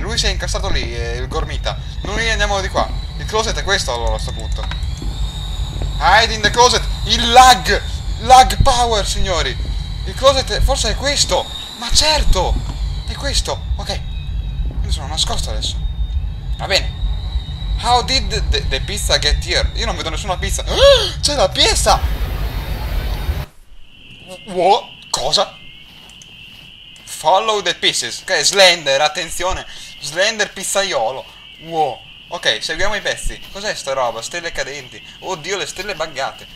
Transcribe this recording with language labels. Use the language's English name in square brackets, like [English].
[Italian] Lui si è incastrato lì, il Gormita. Noi andiamo di qua. Il closet è questo allora a sto punto. [English] Hide in the closet. [Italian] Il lag. Lag power, signori. Il closet forse è questo. Ma certo. È questo. Ok. Mi sono nascosto adesso. Va bene. [English] How did the pizza get here? [Italian] Io non vedo nessuna pizza. C'è la pizza! [English] Wow, [Italian] cosa? [English] Follow the pieces. [Italian] Ok, Slender, attenzione. Slender pizzaiolo. Wow. Ok, seguiamo i pezzi. Cos'è sta roba? Stelle cadenti. Oddio, le stelle buggate.